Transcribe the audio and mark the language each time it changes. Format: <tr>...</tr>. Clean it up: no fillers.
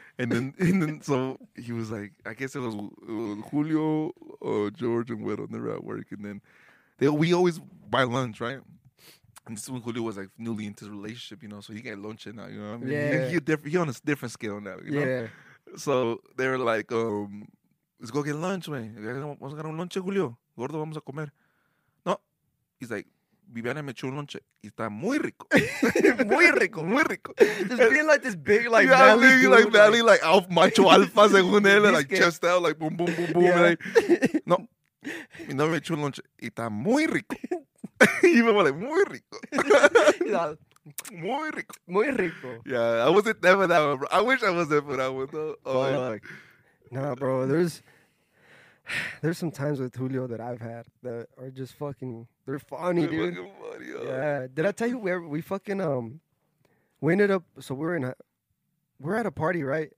<en>And then so he was like, I guess it was Julio, George, and Güero, and they were at work. And then we always buy lunch, right? And this is when Julio was like newly into the relationship, you know, so he got lunch now, you know what I mean? Yeah. He on a different scale now, you know? Yeah. So they were like, let's go get lunch, man.</en> <es>Vamos a ganar un lunch, Julio. Gordo, vamos a comer. No.</es> <en>He's like,</en> <es>Viviana me echó un lunch y está muy rico. Muy rico, muy rico.</es> <en>Just being like this big, like, yeah, valley. Yeah, like valley, like alpha, macho alpha,</en> <es>según él,</es> <en>like chest out, like boom, boom, boom, boom. Yeah. Like,</en> <es>no, mi novia me echó un lunch y está muy rico. Y me vale, muy rico. Muy rico. Muy rico.</es> <en>Yeah, I wasn't there for that one, bro. I wish I was there for that one, though. Oh, like, Nah, bro, there's some times with Julio that I've had that are just fucking, they're funny, dude. They're fucking funny, yo. Yeah. Did I tell you where we fucking, we ended up, so we're at a party, right?</en>